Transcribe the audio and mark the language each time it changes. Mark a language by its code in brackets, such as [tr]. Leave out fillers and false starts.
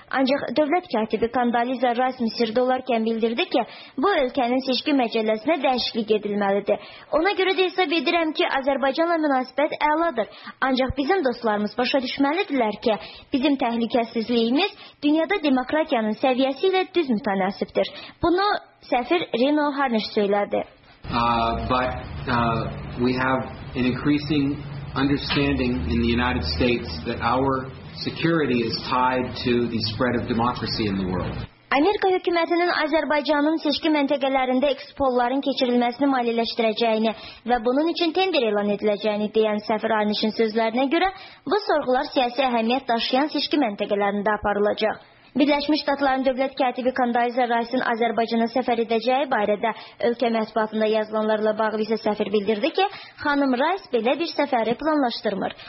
[az] Ancaq dövlət katibi Kandaliza Rice Misirdə olarkən bildirdi ki, bu ölkənin seçki məcəlləsinə dəyişiklik edilməlidir. Ona görə də hesab edirəm ki, Azərbaycanla münasibət əladır. Ancaq bizim dostlarımız başa düşməlidirlər ki, bizim təhlükəsizliyimiz dünyada demokratiyanın səviyyəsi ilə düz mütənasibdir. Bunu səfir Rino Harniş söylədi. [en] But we have an increasing understanding in the United States that our security is tied to the spread of democracy in the world. [az] Amerika hökumətinin Azərbaycanın seçki məntəqələrində ekspolların keçirilməsini maliyyələşdirəcəyini və bunun üçün tender elan ediləcəyini deyən səfir Arnişin sözlərinə görə bu sorğular siyasi əhəmiyyət daşıyan seçki məntəqələrində aparılacaq. Birləşmiş Ştatların dövlət katibi Condoleezza Rice'in Azərbaycana səfər edəcəyi barədə ölkə mətbuatında yazılanlarla bağlı isə səfir bildirdi ki, xanım Rice belə bir səfəri planlaşdırmır.